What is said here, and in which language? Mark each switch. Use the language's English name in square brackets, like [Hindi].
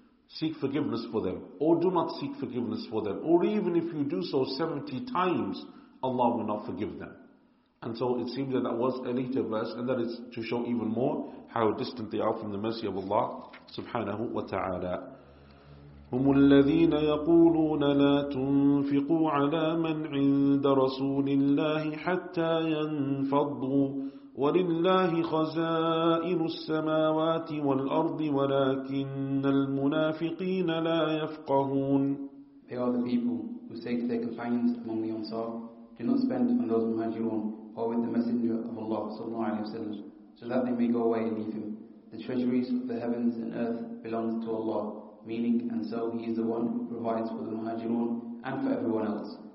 [English] Seek forgiveness for them. Or do not seek forgiveness for them. Or even if you do so 70 times, Allah will not forgive them. And so it seems that that was a later verse, and that is to show even more how distant they are from the mercy of Allah subhanahu wa ta'ala. [Arabic] هم الذين يقولون لا تنفقوا على من عند رسول الله حتى ينفضوا ولله خزائن السماوات والأرض ولكن المنافقين لا يفقهون. [English] They are the people who say to their companions among the Ansar, do not spend on those Muhajirun or with the Messenger of Allah sallallahu alaihi wasallam, so that they may go away and leave him. The treasuries of the heavens and earth belong to Allah. Meaning, and so he is the one who provides for the Muhajirun and for everyone else.